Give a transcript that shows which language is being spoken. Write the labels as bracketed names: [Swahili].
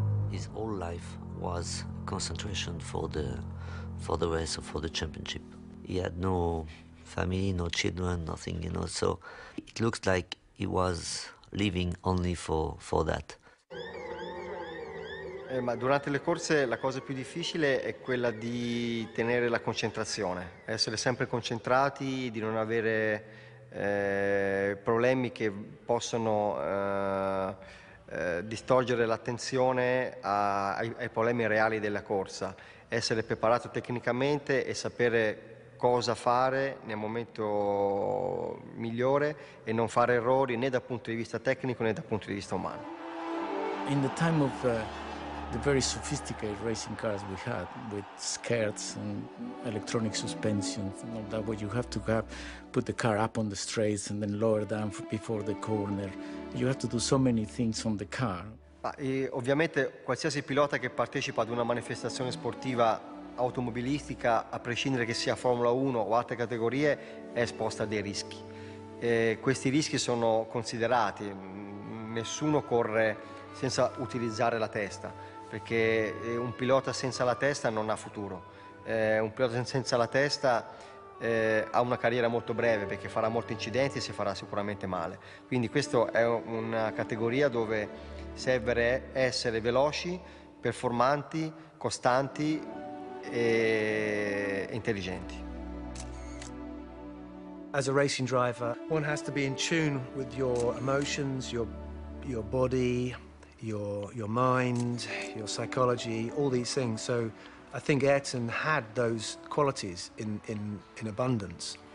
[English] His whole life was concentration for the race or for the championship. He had no family, no children, nothing, you know, so it looks like he was living only for that. [Italian] Ma durante le corse la cosa più difficile è quella di tenere la concentrazione, essere sempre concentrati, di non avere problemi che possono distorgere l'attenzione ai problemi reali della corsa, essere preparato tecnicamente e sapere cosa fare nel momento migliore e non fare errori né dal punto di vista tecnico né dal punto di vista umano. [English] In the time of the very sophisticated racing cars we had with skirts and electronic suspensions and all that, where you have to have put the car up on the straights and then lower down before the corner. You have to do so many things on the car. [Italian] Ovviamente qualsiasi pilota che partecipa ad una manifestazione sportiva automobilistica, a prescindere che sia Formula 1 o altre categorie, è esposta a dei rischi. Questi rischi sono considerati. Nessuno corre senza utilizzare la testa, perché un pilota senza la testa non ha futuro. Un pilota senza la testa ha una carriera molto breve, perché farà molti incidenti e si farà sicuramente male. Quindi questa è una categoria dove serve essere veloci, performanti, costanti e intelligenti. [English] As a racing driver, one has to be in tune with your emotions, your body, your mind, your psychology, all these things. So I think Ayrton had those qualities in abundance.